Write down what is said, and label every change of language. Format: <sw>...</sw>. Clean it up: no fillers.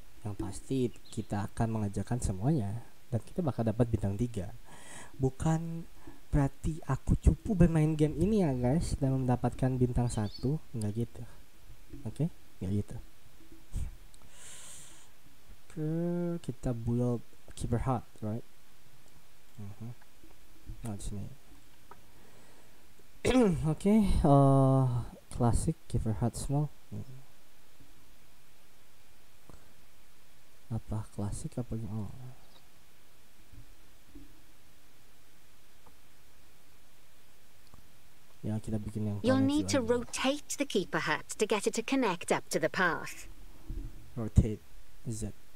<id>Yang pasti kita akan mengerjakan semuanya dan kita bakal dapat bintang 3. Bukan berarti aku cupu bermain game ini ya, guys, dan mendapatkan bintang 1, enggak gitu. Oke? Enggak gitu. Ke kita</id> <en>build keeper hut, right?</en> <id>Nah, di sini.</id> <en>Oke, classic keeper hut small.</en> <id>Apa klasik apa yang ya kita bikin yang</id> <en>you'll need to rotate the keeper hut to get it to connect up to the path. Rotate Z.</en>